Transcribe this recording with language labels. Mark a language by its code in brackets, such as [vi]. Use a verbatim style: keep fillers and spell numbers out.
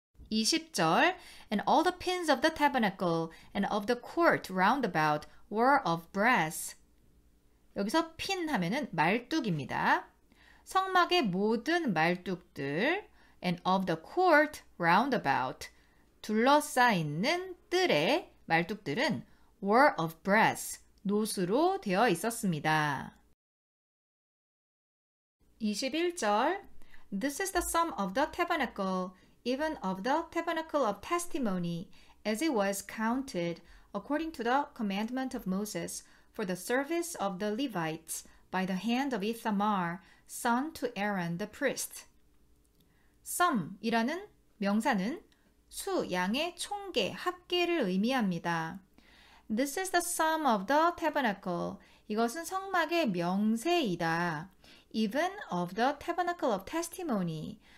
[ko] 이십 절 [en] And all the pins of the tabernacle and of the court round about were of brass. [ko] 여기서 핀 하면은 말뚝입니다. 성막의 모든 말뚝들 [en] and of the court round about, [ko] 둘러싸이는 뜰의 말뚝들은 [en] were of brass, [ko] 놋으로 되어 있었습니다. 이십일 절 [en] This is the sum of the tabernacle, even of the tabernacle of testimony, as it was counted according to the commandment of Moses, for the service of the Levites, by the hand of Ithamar, son to Aaron the priest. [ko] sum이라는 명사는 수, 양의 총계, 합계를 의미합니다. [en] This is the sum of the tabernacle. [ko] 이것은 성막의 명세이다. [en] Even of the tabernacle of testimony.